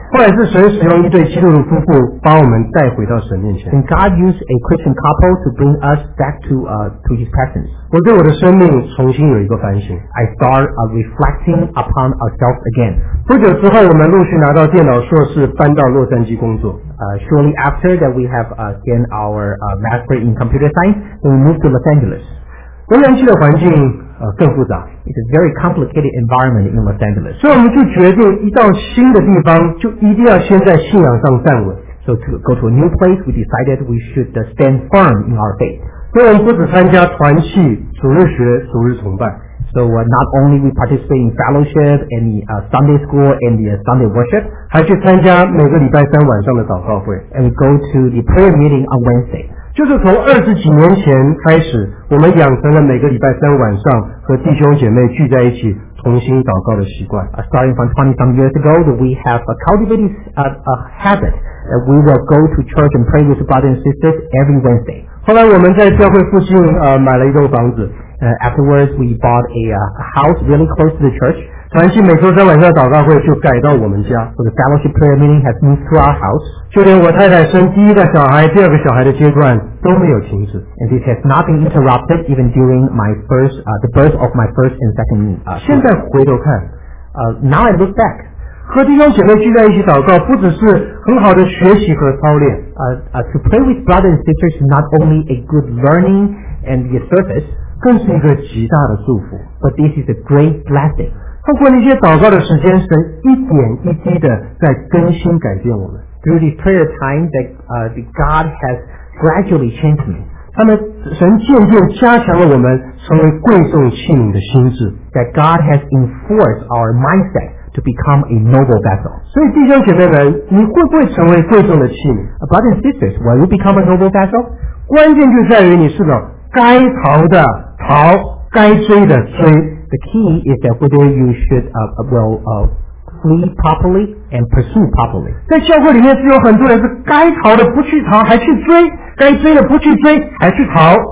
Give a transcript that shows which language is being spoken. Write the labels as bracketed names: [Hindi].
[Chinese] 后来是神使用一对基督徒夫妇把我们带回到神面前。 [English] And God used a Christian couple to bring us back to His presence. [Chinese] 我对我的生命重新有一个反省。 [English] I start reflecting upon ourselves again. [Chinese] 不久之后，我们陆续拿到电脑硕士，搬到洛杉矶工作。 [English] Shortly after that, we have gained our master in computer science, then we moved to Los Angeles. [Chinese] 洛杉矶的环境更复杂 [English] It's a very complicated environment in Los Angeles [Chinese] 所以我们就决定一到新的地方就一定要先在信仰上站稳 [English] So to go to a new place we decided we should stand firm in our faith [Chinese] 所以我们不只参加团契主日学主日崇拜 [English] So not only we participate in fellowship and the Sunday school and the Sunday worship [Chinese] 还去参加每个礼拜三晚上的祷告会 [English] And we go to the prayer meeting on Wednesday [Chinese] 就是从二十几年前开始我们养成了每个礼拜三晚上和弟兄姐妹聚在一起重新祷告的习惯 [English] Starting from 20 some years ago we have cultivated a habit that we will go to church and pray with brothers and sisters every Wednesday [Chinese] 后来我们在教会附近买了一栋房子 [English] Afterwards we bought a house really close to the church [Chinese] 团契每周三晚上祷告会就改到我们家 [English] So the fellowship prayer meeting has moved to our house [Chinese] 就连我太太生第一个小孩第二个小孩的阶段都没有停止 [English] and this has not been interrupted even during my first, the birth of my first and second [Chinese] 现在回头看 [English] now I look back [Chinese] 和弟兄姐妹聚在一起祷告不只是很好的学习和操练 [English] to pray with brothers and sisters is not only a good learning and the service [Chinese] 更是一个极大的祝福 [English] but this is a great blessing [Chinese] 通过那些祷告的时间神一点一滴的在更新改变我们 [English] Through the prayer time that God has gradually changed me. [Chinese] 他们神渐渐加强了我们成为贵重器皿的心智 [English] That God has enforced our mindset to become a noble vessel. [Chinese] 所以弟兄姐妹们，你会不会成为贵重的器皿 [English] Brothers and sisters, will you become a noble vessel? [Chinese] 关键就在于你是否该逃的逃，该追的追。 [English] The key is that whether you should flee properly and pursue properly. [Chinese] 在教会里面是有很多人是该逃的不去逃还去追该追的不去追还去逃